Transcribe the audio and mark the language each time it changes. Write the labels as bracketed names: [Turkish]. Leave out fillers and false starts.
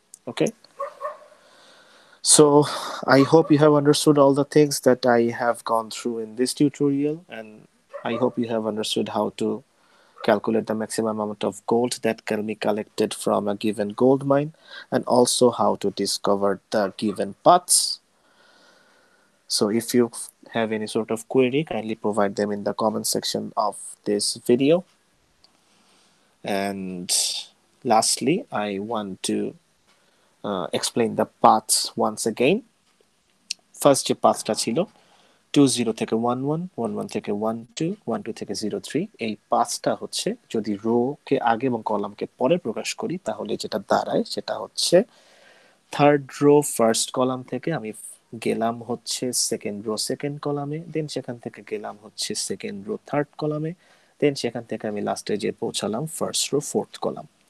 [English] Okay, so I hope you have understood all the things that I have gone through in this tutorial, and I hope you have understood how to calculate the maximum amount of gold that can be collected from a given gold mine, and also how to discover the given paths. So if you have any sort of query, kindly provide them in the comment section of this video. And lastly, I want to explain the paths once again. First, your path [Bangla] ta chilo 2-0 থেকে 1-1, 1-1 থেকে 1-2, 1-2 থেকে 0-3, এই পাঁচটা হচ্ছে যদি rho কে আগে এবং column কে পরে প্রকাশ করি তাহলে যেটা দাঁড়ায় সেটা হচ্ছে থার্ড রো ফার্স্ট কলাম থেকে আমি গেলাম হচ্ছে সেকেন্ড রো সেকেন্ড কলামে, দেন সেখান থেকে গেলাম হচ্ছে সেকেন্ড রো থার্ড কলামে, দেন সেখান থেকে আমি লাস্টে যে পৌঁছালাম ফার্স্ট রো ফোর্থ কলাম।